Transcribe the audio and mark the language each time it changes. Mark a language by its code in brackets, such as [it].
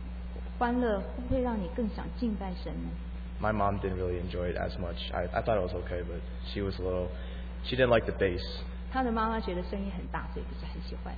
[zh] 后来我心里就有一个问号，这样大声的音乐跟欢乐会不会让你更想敬拜神呢？ [en] My mom didn't really enjoy it as much. I thought it was okay, but she was a little, she didn't like the bass. [zh] 他的妈妈觉得声音很大，所以不是很喜欢。